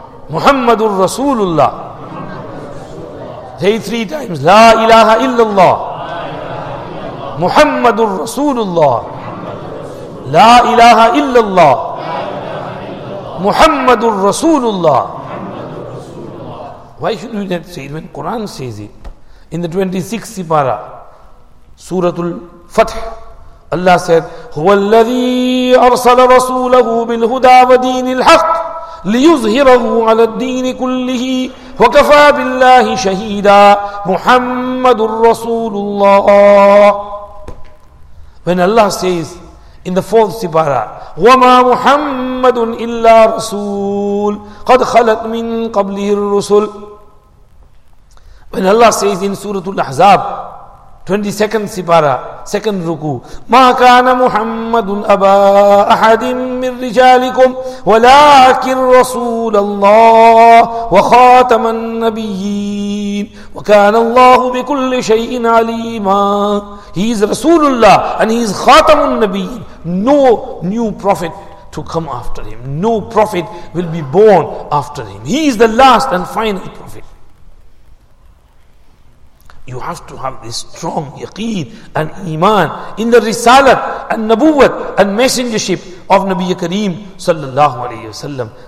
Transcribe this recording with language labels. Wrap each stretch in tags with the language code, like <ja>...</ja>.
<en>Muhammadur Rasulullah. Say three times, La ilaha illallah. Muhammadur Rasulullah. La ilaha illallah. Muhammadur Rasulullah. Why should we not say it when Quran says it? In the 26th Sipara, Suratul Fath, Allah said,</en> <ar>هُوَ الَّذِي أَرْسَلَ رَسُولَهُ بِالْهُدَى وَدِينِ الْحَقِّ لِيُظْهِرَهُ عَلَى الدِّينِ كُلِّهِ وَكَفَى بِاللَّهِ شَهِيدًا مُحَمَّدٌ رَسُولُ اللَّهِ.</ar> <en>When Allah says in the 4th Sipara,</en> <ar>وَمَا مُحَمَّدٌ إِلَّا رَسُولٌ قَدْ خَلَتْ مِنْ قَبْلِهِ الرُّسُلُ.</ar> <en>When Allah says in Surah Al-Ahzab, 22nd Sipara, 2nd Ruku,</en> <ar>مَا كَانَ مُحَمَّدٌ أَبَا أَحَدٍ مِّن رِجَالِكُمْ وَلَكِنْ رَسُولَ اللَّهِ وَخَاتَمَ النَّبِيِّينَ وَكَانَ اللَّهُ بِكُلِّ شَيْءٍ عَلِيمًا.</ar> <en>He is Rasulullah and he is Khatamun Nabiyyin. No new prophet to come after him. No prophet will be born after him. He is the last and final prophet. You have to have this strong yaqeen and iman in the risalat and nabuwat and messengership of Nabi Kareem sallallahu alayhi wa sallam.</en>